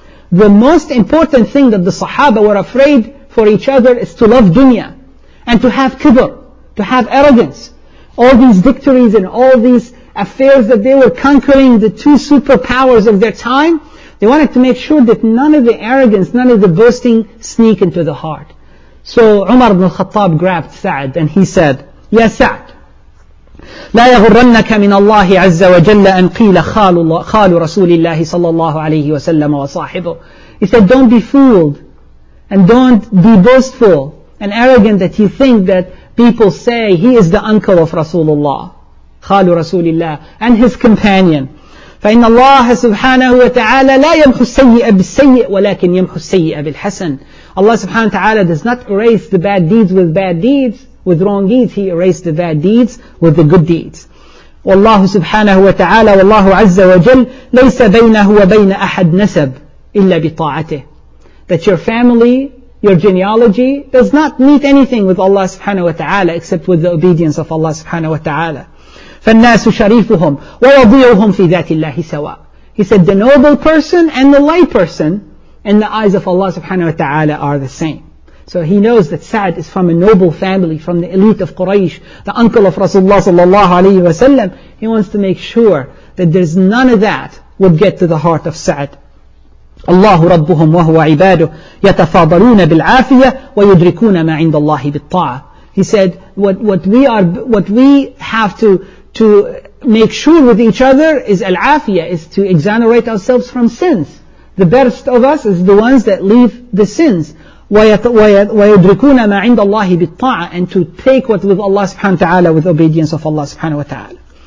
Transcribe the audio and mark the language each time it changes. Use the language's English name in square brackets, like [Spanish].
[English] The most important thing that the Sahaba were afraid for each other is to love dunya and to have kibr, to have arrogance. All these victories and all these affairs that they were conquering the two superpowers of their time, they wanted to make sure that none of the arrogance, none of the boasting sneak into the heart. So Umar ibn al-Khattab grabbed Sa'd and he said, Ya Sa'd, [Arabic] لا يغرنك من الله عز وجل أن قيل خال رسول الله صلى الله عليه وسلم وصاحبه. [English] He said, don't be fooled and don't be boastful and arrogant that you think that people say he is the uncle of Rasulullah, [Arabic] خال رسول الله, [English] and his companion. [Arabic] فَإِنَّ اللَّهَ سُبْحَانَهُ وَتَعَالَى لَا يَمْحُ السَّيِّئَ بِالسَّيِّئِ وَلَكِنْ يَمْحُ السَّيِّئَ بِالْحَسَنِ [English] Allah subhanahu wa ta'ala does not erase the bad deeds with bad deeds, with wrong deeds. He erased the bad deeds with the good deeds. [Arabic] وَاللَّهُ سُبْحَانَهُ وَتَعَالَى وَاللَّهُ عَزَّ وَجَلْ لَيْسَ بَيْنَهُ وَبَيْنَ أَحَدْ نَسَبْ إِلَّا بِطَاعَتِهِ [English] That your family, your genealogy does not meet anything with Allah subhanahu wa ta'ala except with the obedience of Allah subhanahu wa ta'ala. [Arabic] فَالنَّاسُ شَرِيفُهُمْ وَيَضِيعُهُمْ فِي ذَاتِ اللَّهِ سَوَاءٌ [English] He said, the noble person and the light person in the eyes of Allah subhanahu wa ta'ala are the same. So he knows that Sa'd is from a noble family, from the elite of Quraysh, the uncle of Rasulullah sallallahu alayhi wa sallam. He wants to make sure that there's none of that would get to the heart of Sa'd. [Arabic] الله ربهم وهو عباده يتفاضلون بالعافية ويدركون ما عند الله بالطاعة. [English] He said, what we have to make sure with each other is al-afiyah, is to exonerate ourselves from sins. The best of us is the ones that leave the sins. [Arabic] وَيَدْرِكُونَ مَا عِنْدَ اللَّهِ بِالطَّاعَةِ, [English] and to take what with Allah subhanahu wa ta'ala, with obedience of Allah subhanahu wa ta'ala.